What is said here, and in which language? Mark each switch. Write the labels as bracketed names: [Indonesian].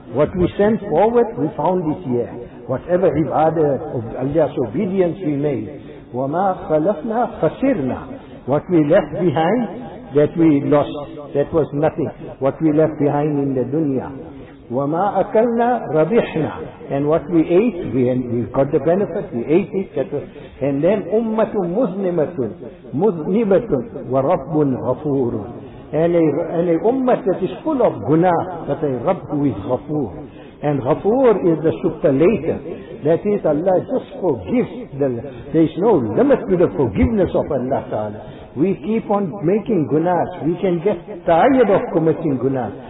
[English] What we sent forward, we found it here. Whatever ibadah of Allah's obedience we made. [Arabic] Wa ma khalafna khasirna. [English] What we left behind, that we lost. That was nothing. What we left behind in the dunya. [Arabic] وَمَا أَكَلْنَا رَبِحْنَا. [English] And what we ate, we got the benefit, we ate it. And then [Arabic] أُمَّةٌ مُذْنِمَةٌ مُذْنِبَةٌ وَرَبٌ غَفُورٌ. [English] And a ummah that is full of guna, but a Rabb who is Ghafoor. And Ghafoor is the superlative. That is, Allah just forgives. There is no limit to the forgiveness of Allah Ta'ala. We keep on making gunas. We can get tired of committing gunas.